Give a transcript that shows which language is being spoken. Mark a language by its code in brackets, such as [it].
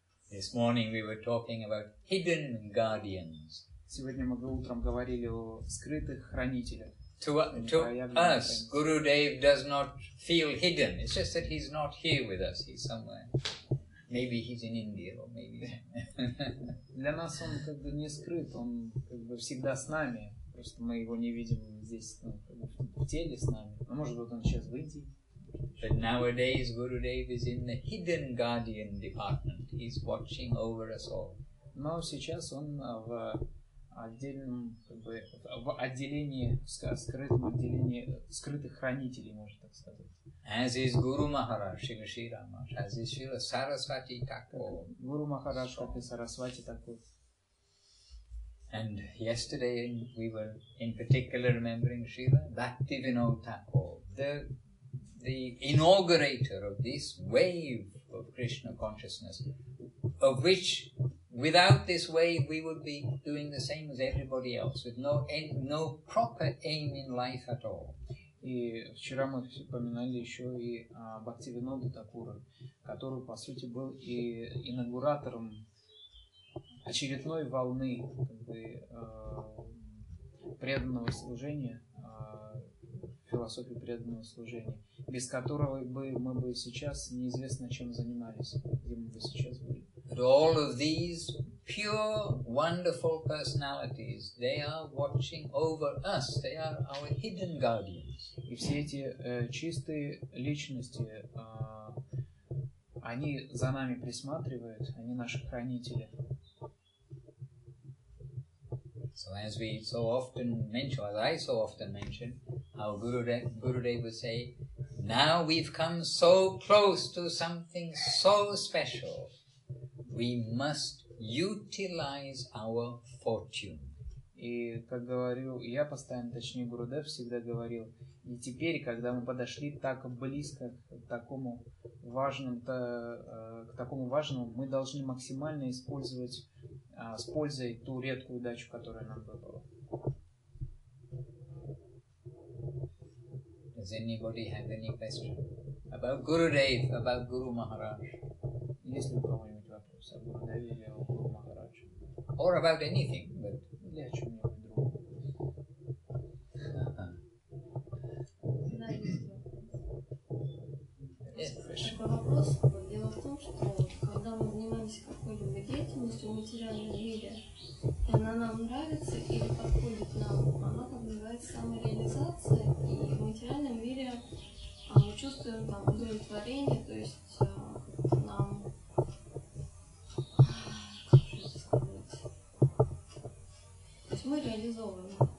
[en] This morning we were talking about hidden guardians. [ru] Сегодня мы утром говорили о скрытых хранителях. [en] To us, Gurudev does not feel hidden. It's just that he's not here with us. He's somewhere. Maybe he's in India, or maybe. [ru] Для нас он как бы не скрыт. Он как бы всегда с нами. Просто мы его не видим здесь, ну, как бы в теле с нами. Но может вот он сейчас выйдет. [en] But nowadays, Gurudev is in the hidden guardian department. He's watching over us all. [ru] Но сейчас он в отдельном, как бы, в отделении, скрытом отделении скрытых хранителей, можно так сказать. [en] As is Guru Maharaj, Shri Shri Ramaj, as is Shri Sarasvati Thakur. [ru] Guru Maharaj, как и Сарасвати Такур. [en] And yesterday we were in particular remembering Shri Bhaktivinod Thakur, the inaugurator of this wave of Krishna consciousness, of which without this wave we would be doing the same as everybody else, with no end, no proper aim in life at all. [ru] И вчера мы упоминали еще и Бхактивинода Такура, который по сути был и инаугуратором очередной волны, как бы, преданного служения, философии преданного служения, без которого бы мы бы сейчас неизвестно чем занимались, где мы бы сейчас были. [en] But all of these pure, wonderful personalities, they are watching over us. They are our hidden guardians. [ru] И все эти чистые личности, они за нами присматривают, они наши хранители. [en] So as we so often mention, as I so often mention, how Gurudev would say, now we've come so close to something so special, we must utilize our fortune. [ru] И как говорил, я постоянно, точнее Гурудев всегда говорил, и теперь, когда мы подошли так близко к такому важному, к такому важному, мы должны максимально использовать, с пользой ту редкую удачу, которая нам выпала. [en] Does anybody have any question about Gurudev, about Guru Maharaj? [ru] Есть ли у кого-нибудь вопрос о Гурудеве или о Гуру Махарадже? [en] Or about anything, but... [ru] Или о чем-нибудь другом. Вопрос. Дело в том, что когда мы занимаемся какой-либо деятельностью в материальном мире, и она нам нравится или подходит нам, она как бы называется самореализация, и в материальном мире мы чувствуем там удовлетворение, то есть нам, как же это сказать, то есть мы реализовываем.